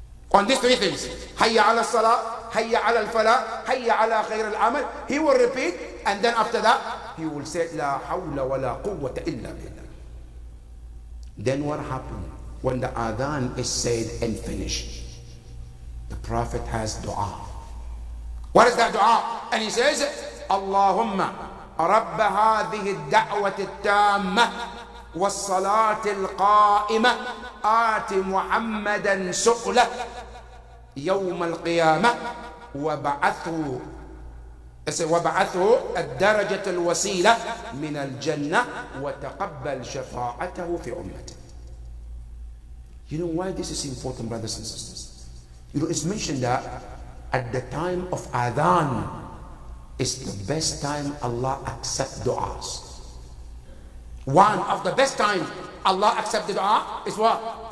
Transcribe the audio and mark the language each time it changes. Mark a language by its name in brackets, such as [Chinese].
[English] On these three things, [Arabic] Hayya ala salah, Hayya ala al-falah, Hayya ala khayr al-amal, [English] he will repeat, and then after that, he will say, [Arabic] La hawla wa la quwwata illa billah. [English] Then what happened when the adhan is said and finished? The Prophet has dua. What is that dua? And he says, [Arabic] Allahumma rabba hadhihi al-da'wati al-tamma wa salati al-qa'imah aati muhammadan suqla يوم القيامة وبعثوا وبعثوا الدرجة الوسيلة من الجنة وتقبل شفاعته في أمته. [English] You know why this is important, brothers and sisters? You know, it's mentioned that at the time of Adhan is the best time Allah accepts du'as. One of the best times Allah accepts the du'a is what?